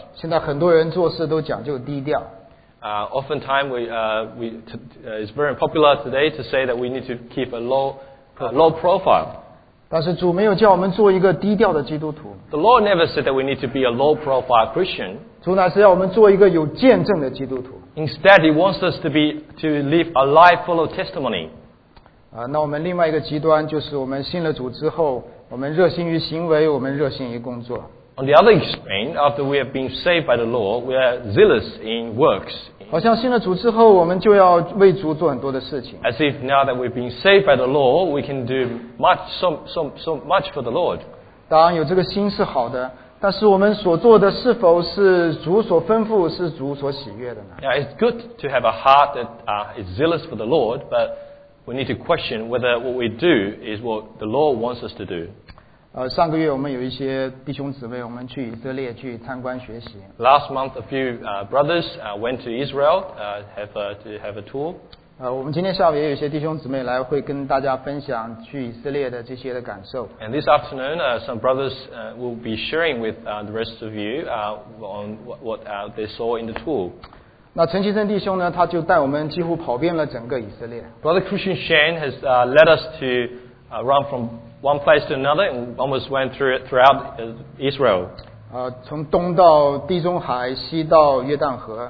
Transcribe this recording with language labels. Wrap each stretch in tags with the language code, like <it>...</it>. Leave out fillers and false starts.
<zh>现在很多人做事都讲究低调。</zh> <en>Oftentimes we it's very popular today to say that we need to keep a low profile.</en> <zh>但是主没有叫我们做一个低调的基督徒。</zh> <en>The Lord never said that we need to be a low profile Christian.</en> <zh>主乃是要我们做一个有见证的基督徒。</zh> <en>Instead, He wants us to live a life full of testimony.</en> <zh>那我们另外一个极端就是我们信了主之后，我们热心于行为，我们热心于工作。</zh> <en>On the other extreme, after we have been saved by the Lord, we are zealous in works.</en> <zh>好像信了主之后，我们就要为主做很多的事情。</zh> <en>As if now that we've been saved by the Lord, we can do so much for the Lord.</en> <zh>当然有这个心是好的，但是我们所做的是否是主所吩咐，是主所喜悦的呢？</zh> <en>Now, it's good to have a heart that is zealous for the Lord, but we need to question whether what we do is what the Lord wants us to do.</en> <zh>上个月我们有一些弟兄姊妹，我们去以色列去参观学习。</zh> <en>Last month, a few brothers went to Israel to have a tour.</en> <zh>我们今天下午也有一些弟兄姊妹来，会跟大家分享去以色列的这些的感受。</zh> <en>And this afternoon, some brothers will be sharing with the rest of you on what they saw in the tour.</en> <zh>那陈其正弟兄呢，他就带我们几乎跑遍了整个以色列。</zh> <en>Brother Christian Shane has led us to run from one place to another and almost went throughout Israel.</en> <zh>从东到地中海，西到约旦河。</zh>